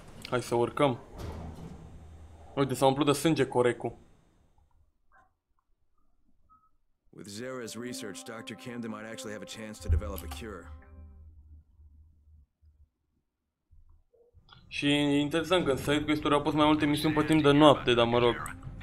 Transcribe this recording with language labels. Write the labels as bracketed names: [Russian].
[Romanian] Hai să urcăm. Uite, s-a umplut de sânge corecu. [English] With Zara's research, Dr. Camden might actually have a chance to develop a cure. [Romanian] Și e interesant că în side quest-uri au pus mai multe misiuni pe timp de noapte, dar mă rog.